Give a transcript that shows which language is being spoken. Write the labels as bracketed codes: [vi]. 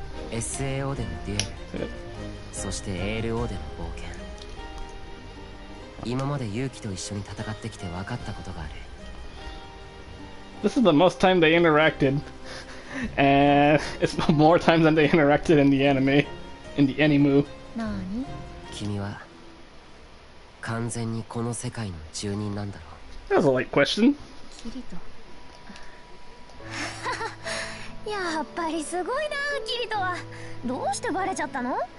[ja] SAO でのデュエル、そしてエール王での冒険。今まで勇気と一緒に戦ってきて分かったことがある。 [en] This is the most time they interacted, and it's more time than they interacted in the anime, in the animu. [ja] 何？君は完全にこの世界の住人なんだろう。 [en] That's a light question. [ja] キリト。やっぱりすごいな、キリトは。どうしてバレちゃったの？